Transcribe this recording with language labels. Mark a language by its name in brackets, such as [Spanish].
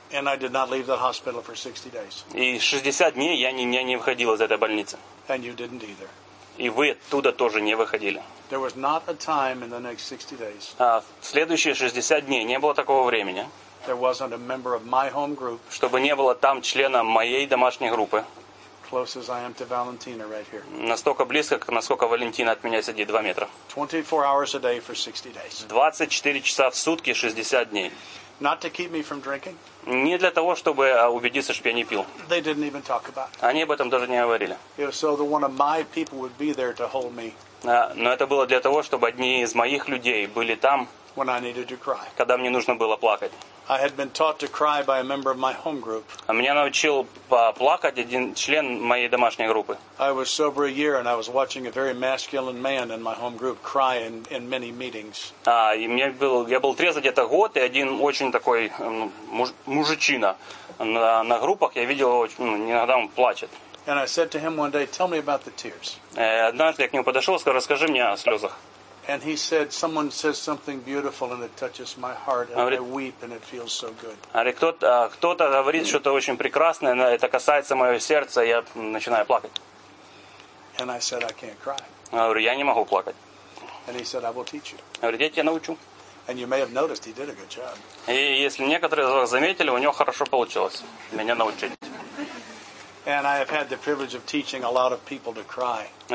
[English] And I did not leave the hospital for 60 days. [Russian] И 60 дней я не выходил из этой больницы. [English] And you didn't either. [Russian] И вы оттуда тоже не выходили. [English] There was not a time in the next 60 days. [Russian] Следующие 60 дней не было такого времени. [English] There wasn't a member of my home group. [Russian] Чтобы не было там члена моей домашней группы. [English] Close as I am to Valentina right here. [Russian] Настолько близко, насколько Валентина от меня сидит 2 метра. [English] 24 hours a day for 60 days. [Russian] 24 часа в сутки 60 дней. [English] Not to keep me from drinking. [Russian] Не для того, чтобы убедиться, что я не пил. [English] They didn't even talk about it. [Russian] Они об этом даже не говорили. [English] So the one of my people would be there to hold me. [Russian] Но это было для того, чтобы одни из моих людей были там. [English] When I needed to cry. [Russian] Когда мне нужно было плакать. [English] I had been taught to cry by a member of my home group. [Russian] А меня научил плакать один член моей домашней группы. [English] I was sober a year, and I was watching a very masculine man in my home group cry in many meetings. [Russian] Я был трезв где-то год, и один очень такой мужичина на группах я видел, иногда он плачет. [English] And I said to him one day, "Tell me about the tears." [Russian] Однажды я к нему подошел и сказал: "Расскажи мне о слезах." [English] And he said, someone says something beautiful and it touches my heart and I weep and it feels so good. [Russian] Кто-то говорит что-то очень прекрасное, но это касается моего сердца, я начинаю плакать. [English] And I said, I can't cry. [Russian] Говорю, я не могу плакать. [English] And he said, I will teach you. [Russian] Говорю, я тебя научу. [English] And you may have noticed he did a good job. [Russian] И если некоторые из вас заметили, у него хорошо получилось меня научить. [English] And I have had the privilege of teaching a lot of people to cry.